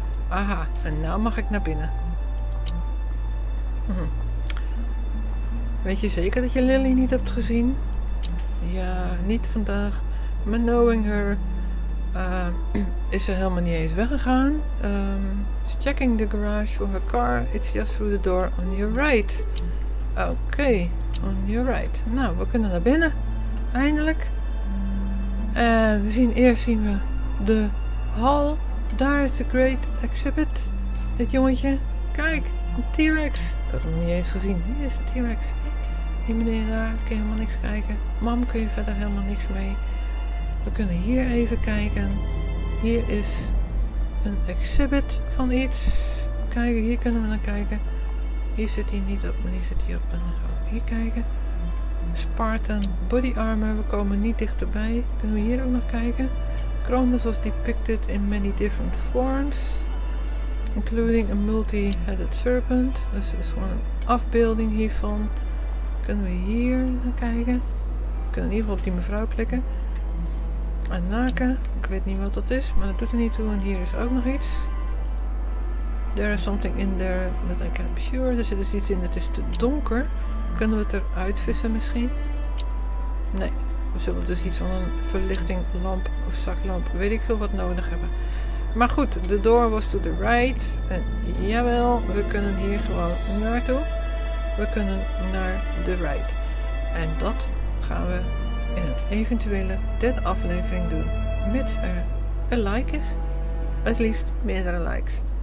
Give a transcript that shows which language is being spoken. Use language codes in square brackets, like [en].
[nl] Aha, en nou mag ik naar binnen. Weet je zeker dat je Lily niet hebt gezien? Ja, niet vandaag. Maar [en] knowing her [nl] is ze helemaal niet eens weggegaan. [en] She's checking the garage for her car. It's just through the door on your right. Oké, on your right. [nl] Nou, we kunnen naar binnen. Eindelijk. En we zien, eerst zien we de hal. Daar is de Great Exhibit. Dit jongetje. Kijk, een T-Rex. Ik had hem niet eens gezien. Hier is de T-Rex. Die meneer daar, kun je helemaal niks kijken. Mam, kun je verder helemaal niks mee. We kunnen hier even kijken. Hier is een exhibit van iets. Kijk, hier kunnen we naar kijken. Hier zit hij niet op, maar hier zit hij op. En dan gaan we hier kijken. Spartan body armor, we komen niet dichterbij. Kunnen we hier ook nog kijken? [en] Cronus was depicted in many different forms, including a multi-headed serpent. [nl] Dus dat is gewoon een afbeelding hiervan. Kunnen we hier naar kijken? We kunnen in ieder geval op die mevrouw klikken. Anaka, ik weet niet wat dat is, maar dat doet er niet toe. En hier is ook nog iets. [en] There is something in there that I can't be sure. [nl] Er zit dus iets in, het is te donker. Kunnen we het eruit vissen misschien? Nee. We zullen dus iets van een verlichting lamp of zaklamp, weet ik veel, wat nodig hebben. Maar goed, de [en] door was to the right. [nl] En jawel, we kunnen hier gewoon naartoe. We kunnen naar de right. En dat gaan we in een eventuele dead aflevering doen. Mits er een like is. [en] At least [nl] meerdere likes.